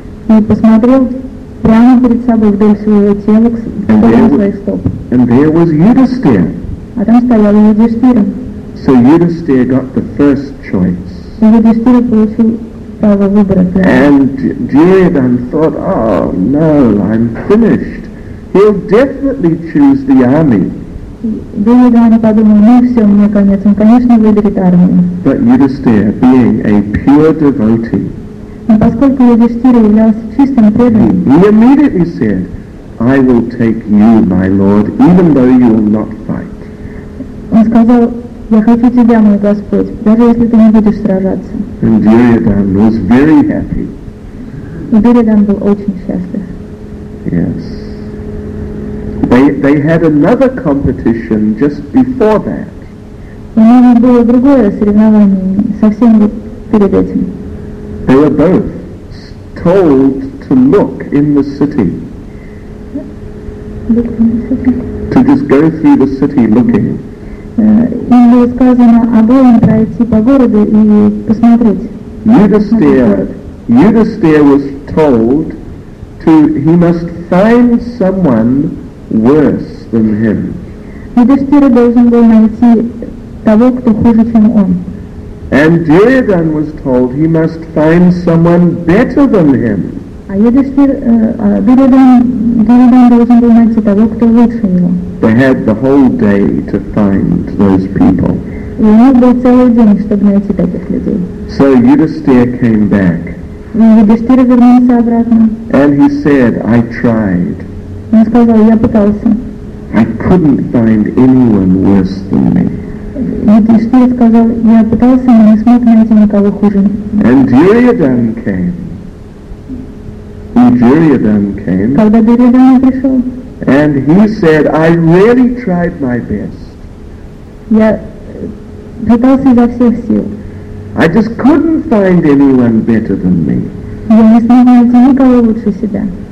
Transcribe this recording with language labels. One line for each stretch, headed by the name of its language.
Russian: И посмотрел прямо перед собой вдоль своего тела к подошвам своих стоп.
English: And there was Yudhisthira.
Russian: А там стоял Юдхиштхира.
English: So Yudhisthira got the first choice.
Russian: И Юдхиштхира получил право выбора.
English: And Duryodhana thought, oh no, I'm finished. He'll definitely choose the army.
Russian: Duryodhana подумал, ну все, мне конец, он конечно выберет армию.
English: But Yudhisthira, being a pure devotee,
Russian: но поскольку Юдхиштхира являлся чистым преданным,
English: he immediately said, I will take you, my lord, even though you will not fight.
Russian: Он сказал, я хочу тебя, мой Господь, даже если ты не будешь сражаться.
English: And Duryodhana was very happy.
Russian: И Duryodhana был очень счастлив.
English: Yes. They had another competition just before that.
Russian: У них было другое соревнование совсем перед этим.
English: They were both told to look in the city. To just go through the city looking.
Russian: Им было сказано обоим пройти по городу и посмотреть.
English: Yudhisthira was told to he must find someone worse than him.
Russian: Yudhisthira должен был найти того, кто хуже, чем он.
English: And Duryodhana was told he must find someone better than him.
Russian: А Duryodhana должен был найти того, кто лучше его.
English: They had the whole day to find those people.
Russian: И у них был целый день, чтобы найти таких людей.
English: So Yudhisthira came back.
Russian: И Yudhisthira вернулся обратно.
English: And he said, I tried.
Russian: Он сказал, я пытался.
English: I couldn't find anyone worse than me.
Russian: Юдхиштхира сказал, я пытался, но не смог найти никого хуже.
English: And Duryodhana came.
Russian: Когда Duryodhana пришел.
English: And he said, I really tried my best.
Russian: Я пытался изо всех сил.
English: I just couldn't find anyone better than me.
Russian: Я не смог найти никого лучше себя.